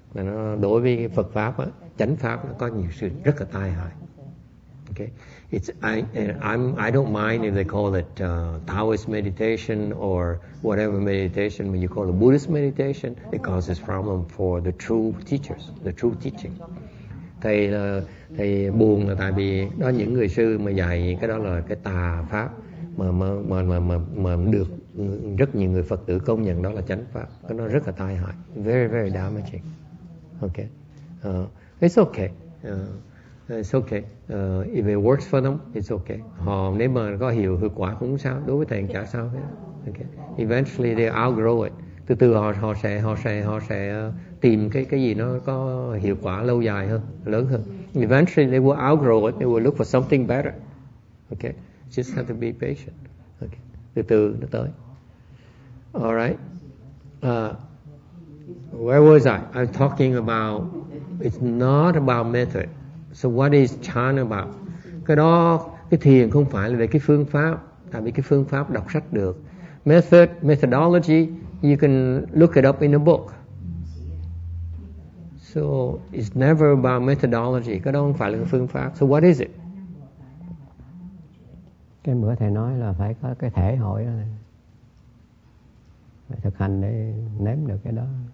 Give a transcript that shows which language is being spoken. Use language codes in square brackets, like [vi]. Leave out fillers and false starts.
[vi] Mà nó đối với Phật pháp á, chánh pháp nó có nhiều sự rất là tai hại. [en] Okay, it's I don't mind if they call it Taoist meditation or whatever meditation. When you call it Buddhist meditation, it causes problem for the true teachers, the true teaching. [vi] Thầy buồn là tại vì đó những người sư mà dạy cái đó là cái tà pháp mà được rất nhiều người Phật tử công nhận đó là chánh pháp, cái nó rất là tai hại, [en] very very damaging. Okay, it's okay. It's okay. If it works for them, it's okay. [vi] Họ nếu mà có hiệu hiệu quả cũng sao, đối với thầy chả sao hết. Okay. [en] Eventually they outgrow it. [vi] Từ từ họ sẽ tìm cái gì nó có hiệu quả lâu dài hơn, lớn hơn. [en] Eventually they will outgrow it. They will look for something better. Okay. Just have to be patient. Okay. [vi] Từ từ nó tới. [en] All right. Where was I? I'm talking about it's not about method. So what is chan about? [vi] Cái đó, cái thiền không phải là về cái phương pháp, tại vì cái phương pháp đọc sách được. [en] Method, methodology, you can look it up in a book. So it's never about methodology. [vi] Cái đó không phải là cái phương pháp. [en] So what is it? [vi] Cái bữa thầy nói là phải có cái thể hội đó này. Phải thực hành để nếm được cái đó.